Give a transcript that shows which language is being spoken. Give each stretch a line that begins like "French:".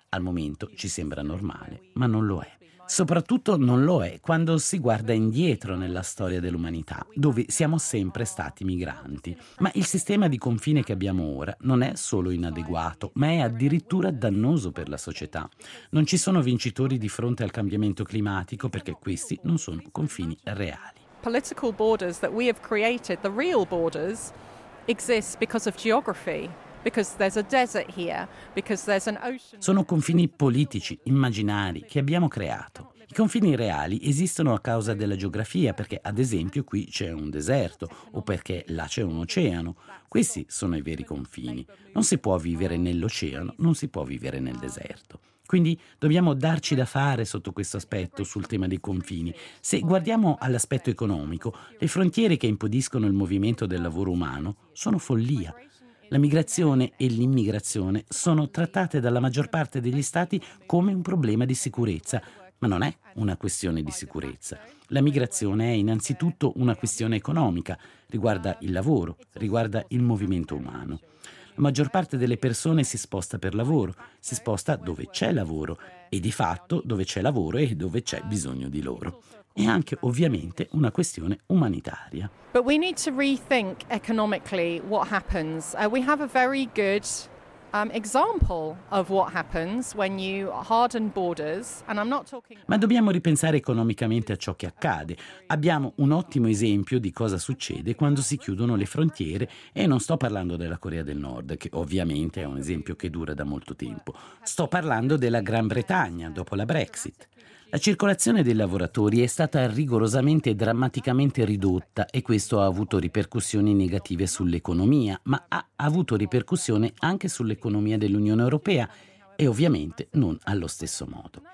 Italian: Al momento ci sembra normale, ma non lo è. Soprattutto non lo è quando si guarda indietro nella storia dell'umanità, dove siamo sempre stati migranti. Ma il sistema di confine che abbiamo ora non è solo inadeguato, ma è addirittura dannoso per la società. Non ci sono vincitori di fronte al cambiamento climatico perché questi non sono confini reali.
English: Political borders that we have created, the real borders, exist because of geography. Because there's a desert here, because there's an ocean.
Italian: Sono confini politici, immaginari, che abbiamo creato. I confini reali esistono a causa della geografia, perché ad esempio qui c'è un deserto o perché là c'è un oceano. Questi sono i veri confini. Non si può vivere nell'oceano, non si può vivere nel deserto. Quindi dobbiamo darci da fare sotto questo aspetto sul tema dei confini. Se guardiamo all'aspetto economico, le frontiere che impediscono il movimento del lavoro umano sono follia. La migrazione e l'immigrazione sono trattate dalla maggior parte degli stati come un problema di sicurezza, ma non è una questione di sicurezza. La migrazione è innanzitutto una questione economica, riguarda il lavoro, riguarda il movimento umano. La maggior parte delle persone si sposta per lavoro, si sposta dove c'è lavoro e di fatto dove c'è lavoro e dove c'è bisogno di loro. È anche ovviamente una questione umanitaria.
English: But we need to rethink economically what happens. We have a very good example of what happens when you harden borders, and I'm not talking.
Italian: Ma dobbiamo ripensare economicamente a ciò che accade. Abbiamo un ottimo esempio di cosa succede quando si chiudono le frontiere, e non sto parlando della Corea del Nord, che ovviamente è un esempio che dura da molto tempo. Sto parlando della Gran Bretagna dopo la Brexit. La circolazione dei lavoratori è stata rigorosamente e drammaticamente ridotta e questo ha avuto ripercussioni negative sull'economia, ma ha avuto ripercussione anche sull'economia dell'Unione Europea e ovviamente non allo stesso modo.